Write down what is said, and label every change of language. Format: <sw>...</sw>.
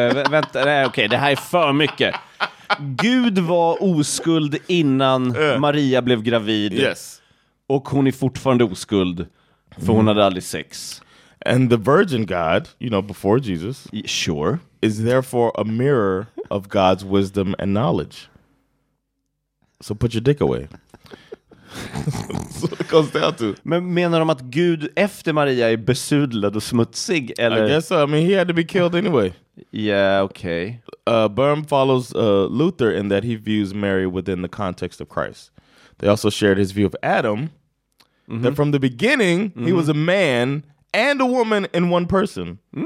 <sv>Vänta, nej, okej, det här är för mycket. Gud var oskuld innan Maria blev gravid.</sv> <en>Yes.</en> <sv>Och hon är fortfarande oskuld, för hon hade aldrig sex.</sv> <en>And the virgin God, you know, before Jesus. Sure. Is therefore a mirror of God's wisdom and knowledge. So put your dick away. So it goes down to.</en> <sv>Men menar de att Gud efter Maria är besudlad och smutsig? Eller?</sv> <en>I guess so. I mean, he had to be killed anyway. Yeah, okay. Böhm follows Luther in that he views Mary within the context of Christ. They also shared his view of Adam, that from the beginning, he was a man and a woman in one person.</en>